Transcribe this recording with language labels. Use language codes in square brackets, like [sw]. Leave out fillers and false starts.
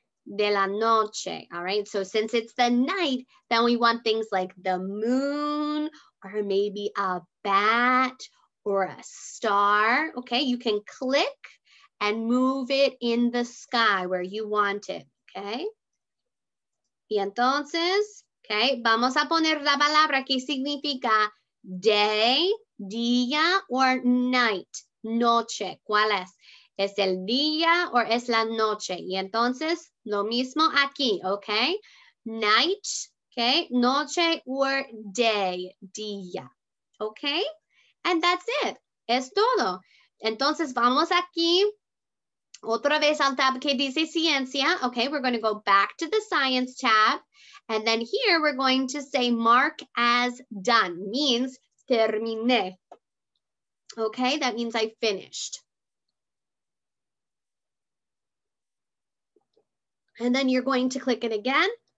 [es] De la noche, [en] all right? So since it's the night, then we want things like the moon or maybe a bat or a star, okay? You can click and move it in the sky where you want it, okay? [es] Y entonces, okay, vamos a poner la palabra que significa day, día, [en] or night, [es] noche, ¿cuál es? ¿Es el día o es la noche? Y entonces, lo mismo aquí, okay? [en] Night, okay? Noche or day, día, okay? And that's it, [es] es todo. Entonces, vamos aquí, otra vez al tab que dice ciencia, okay? [en] We're gonna go back to the science tab, and then here we're going to say mark as done, means terminé, okay? That means I finished. And then you're going to click it again.